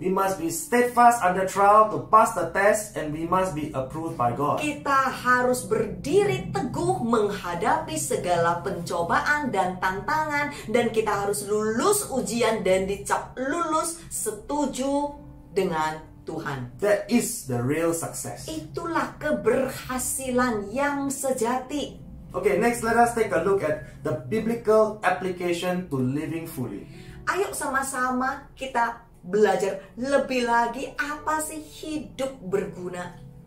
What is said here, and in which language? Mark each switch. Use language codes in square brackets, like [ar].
[en] We must be steadfast under trial to pass the test and we must be approved by God. [id] Kita harus berdiri teguh menghadapi segala pencobaan dan tantangan dan kita harus lulus ujian dan dicap lulus setuju dengan Tuhan. [en] That is the real success. [id] Itulah keberhasilan yang sejati. [en] Okay, next let us take a look at the biblical application to living fully. [id] Ayo sama-sama kita belajar lebih lagi apa sih hidup berguna.